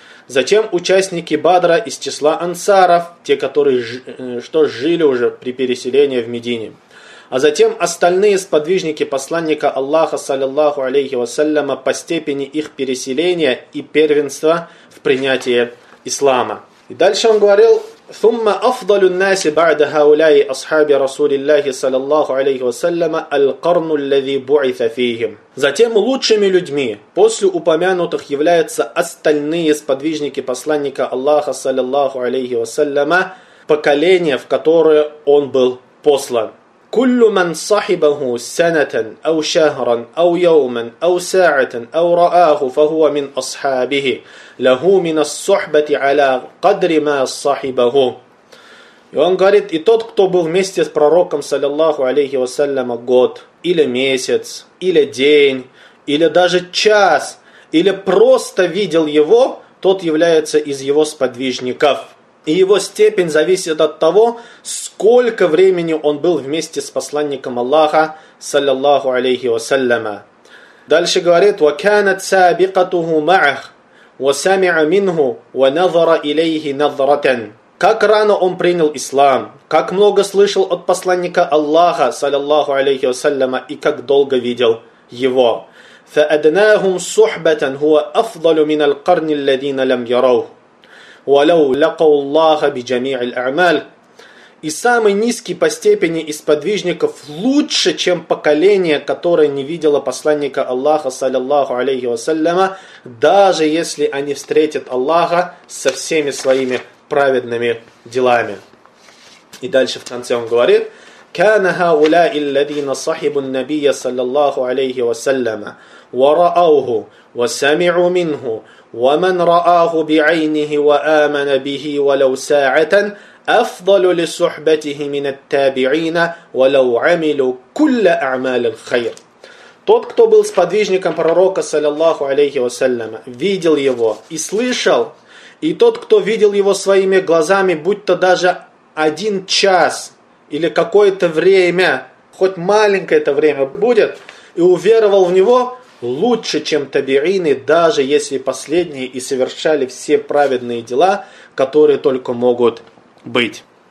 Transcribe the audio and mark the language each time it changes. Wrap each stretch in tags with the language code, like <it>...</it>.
<ru>Затем участники Бадра из числа ансаров, те, которые что жили уже при переселении в Медине. А затем остальные сподвижники посланника Аллаха, саллиллаху алейхи вассаляма, по степени их переселения и первенства в принятии ислама. И дальше он говорил...</ru> <ar>ثم أفضل الناس بعد هؤلاء أصحاب رسول الله صلى الله عليه وسلم القرن الذي بعث فيهم.</ar> <ru>Затем лучшими людьми после упомянутых являются остальные сподвижники посланника Аллаха</ru> <ar>صلى الله عليه وسلم,</ar> <ru>поколение, в которое он был послан.</ru> <ar>كل من صاحبه سنة أو شهرا أو يوما أو ساعة أو رآه فهو من أصحابه له من الصحبة على قدر ما صاحبه.</ar> <ru>И он говорит, и тот, кто был вместе с пророком, саллиллаху алейхи вассаляма, год, или месяц, или день, или даже час, или просто видел его, тот является из его сподвижников. И его степень зависит от того, сколько времени он был вместе с посланником Аллаха, саллиллаху алейхи вассаляма. Дальше говорит:</ru> <ar>وَكَانَتْ سَابِقَتُهُ مَعَهُ وَسَمِعَ مِنْهُ وَنَظَرَ إِلَيْهِ نَظَرَةً.</ar> <ru>Как рано он принял ислам, как много слышал от посланника Аллаха, саллиллаху алейхи вассаляма, и как долго видел его.</ru> <ar>فَأَدْنَاهُمْ صُحْبَةً هُوَ أَفْضَلُ مِنَ الْقَرْنِ الَّذِينَ لَمْ يَرَوْهُ وَلَوْ لَقَوُ اللَّهَ بِجَمِيعِ الْأَعْمَالِ.</ar> <ru>И самый низкий по степени из подвижников лучше, чем поколение, которое не видело посланника Аллаха, саллиллаху алейхи вассаляма, даже если они встретят Аллаха со всеми своими праведными делами. И дальше в конце он говорит:</ru> <ar>«Кана хаулаи ладзина сахибу ан-набия саллиллаху алейхи вассаляма, ва раауху, ва самиу минху, ва ман раауху би айнихи ва амана бихи ва лау саатан». أفضل لصحبته من التابعين ولو عملوا كل أعمال الخير.</ar> <ru>Тот, кто был сподвижником пророка, саллиллаху алейхи вассаляма, видел его и слышал, и тот, кто видел его своими глазами, будь то даже один час или какое-то время, хоть маленькое это время будет, и уверовал в него, лучше, чем табиины, даже если последние и совершали все праведные дела, которые только могут быть.</ru>